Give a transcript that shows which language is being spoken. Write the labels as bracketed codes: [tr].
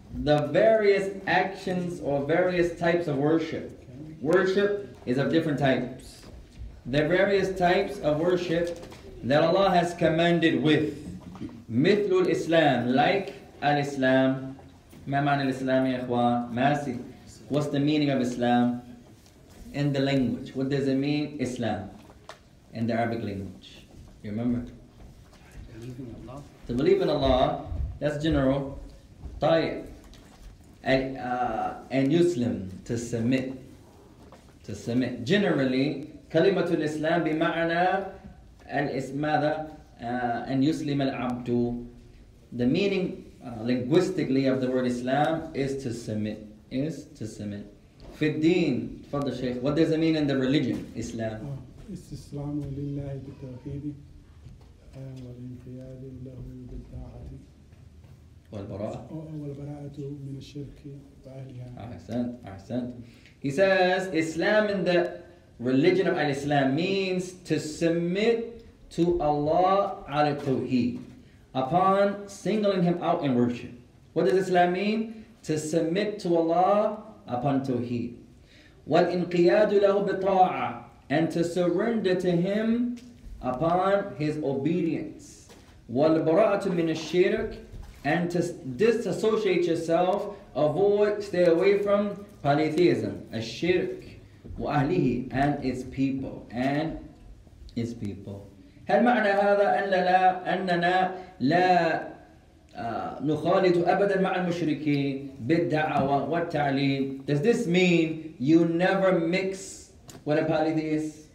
[en] The various actions or various types of worship. Worship is of different types. The various types of worship that Allah has commanded with. [ar] مثل الإسلام, [en] like [ar] الإسلام. ما معنى الإسلام يا إخوان؟ ماسي. [en] What's the meaning of Islam in the language? What does it mean, Islam, in the Arabic language? You remember? To believe in Allah, that's general. [ar] طيب. [en] And Muslim, to submit. To submit. Generally, [ar] كلمة الإسلام بمعنى الإسمادة أن يسلم العبد. [en] The meaning linguistically of the word Islam is to submit. Is to submit. [ar] في الدين, تفضل شيخ. [en] What does it mean in the religion, Islam? [ar] استسلام لله بالتوحيد والانقياد له بالطاعة والبراءة والبراءة من الشرك وأهلها. أحسنت, أحسنت. [en] He says Islam in the religion of Al-Islam means to submit to Allah ala tawheed, upon singling Him out in worship. What does Islam mean? To submit to Allah upon tawheed. [ar] وَالْإِنْقِيَادُ لَهُ بِطَاعَةً, [en] and to surrender to Him upon His obedience. [ar] وَالْبَرَأَةُ مِنَ الشِّرْكِ, [en] and to disassociate yourself, avoid, stay away from polytheism, [ar] الشِّرْكِ وَأَهْلِهِ, [en] and its people, and its people. [ar] هل معنى هذا أننا لا نخالط أبدا مع المشركين بالدعوة والتعليم? [en] Does this mean you never mix with a polytheist?